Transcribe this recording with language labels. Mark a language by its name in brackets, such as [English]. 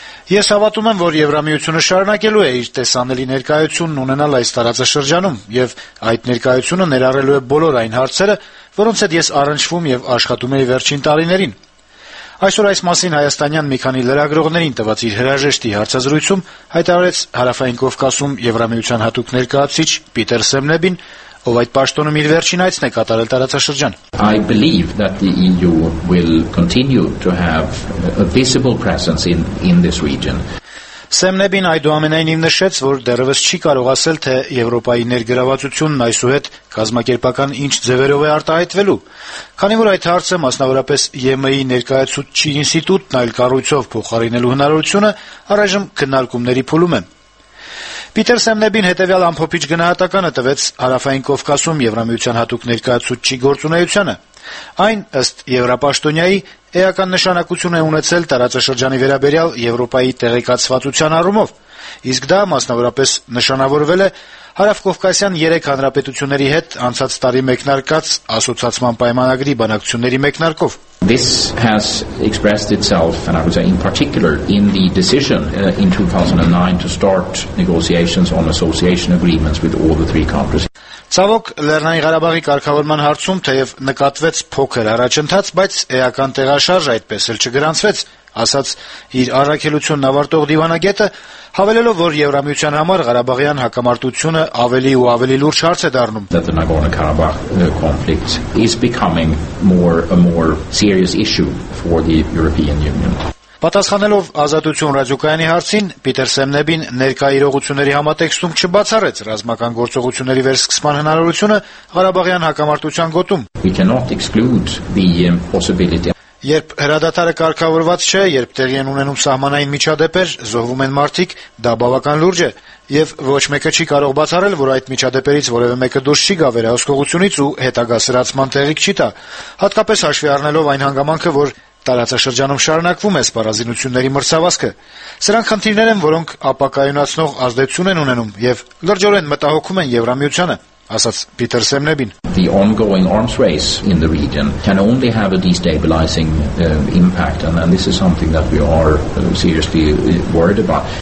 [Armenian] Ես հավատում եմ, որ Եվրամիությունը շարունակելու է իր տեսանելի ներկայությունն ունենալ այս տարածաշրջանում, և այդ ներկայությունը ներառելու է բոլոր այն հարցերը, որոնց հետ ես առնչվում և աշխատում էի վերջին տարիներին։ Այսօր այս մասին հայաստանյան մի քանի լրագրողներին տված իր հրաժեշտի հարցազրույցում հայտարարեց Հարավային Կովկասում Եվրամիության հատուկ ներկայացուցիչ Պիտեր Սեմնեբին, ով այդ պաշտոնում իր վերջին այցն է կատարել տարածաշրջան։ [English] I believe that the EU will continue to have a visible presence in this region. [Armenian] Սեմնեբին այդուամենայնիվ նշեց, որ դեռևս չի կարող ասել, թե Եվրոպայի ներգրավվածությունն այսուհետ կազմակերպական ինչ ձևերով է արտահայտվելու, քանի որ այդ հարցը մասնավորապես ԵՄ-ի ներկայացուցիչ ինստիտուտն այլ կառույցով փոխարինելու հնարավորությունը առայժմ քննարկումների փուլում է։ Պիտեր Սեմնեբին հետևյալ ամփոփիչ գնահատականը տվեց Հարավային Կովկասում Եվրամիության հատուկ ներկայացուցիչի գործունեությանը։ Այն, ըստ Եվրապաշտոնյայի, էական նշանակություն է ունեցել տարածաշրջանի վերաբերյալ Եվրոպայի տեղեկացվածության առումով, իսկ դա մասնավորապես նշանավորվել է Հարավկովկասյան երեք հանրապետությունների հետ անցած տարի մեկնարկած ասոցացման պայմանագրի բանակցությունների մեկնարկով։ [English] This has expressed itself, and I would say in particular, in the decision in 2009 to start negotiations on association agreements with all the three countries. [Armenian] Ցավոք, Լեռնային Ղարաբաղի կառավարման հարցում թեև նկատվեց փոքր առաջընթաց, բայց էական տեղաշարժ այդպես էլ չգրանցվեց, ասաց իր առաքելությունն ավարտող դիվանագետը, հավելելով, որ Եվրամիության համար Ղարաբաղյան հակամարտությունը ավելի ու ավելի լուրջ հարց է դառնում. [English] The Nagorno-Karabakh conflict is becoming a more serious issue for the European Union. [Armenian] Պատասխանելով Ազատություն ռադիոկայանի հարցին, Պիտեր Սեմնեբին ներկայիրողությունների համատեքստում չբացառեց ռազմական գործողությունների վերսկսման հնարավորությունը Ղարաբաղյան հակամարտության գոտում։ [English] We cannot exclude the possibility. [Armenian] Երբ հրադադարը կարգավորված չէ, երբ տեղի են ունենում սահմանային միջադեպեր, զոհվում են մարդիկ, դա բավական լուրջ է, և ոչ մեկը չի կարող բացառել, որ այդ միջադեպերից որևէ մեկը դուրս չի գա վերահսկողությունից ու հետագա սրացման տեղի չի տա, հատկապես հաշվի առնելով այն հանգամանքը, որ տարածաշրջանում շարունակվում է սպառազինությունների մրցավազքը։ Սրանք խնդիրներ են, որոնք ապակայունացնող ազդեցություն են ունենում և լրջորեն մտահոգում են Եվրամիությանը, ասաց Պիտեր Սեմնեբին։ [English] The ongoing arms race in the region can only have a destabilizing impact, and this is something that we are seriously worried about.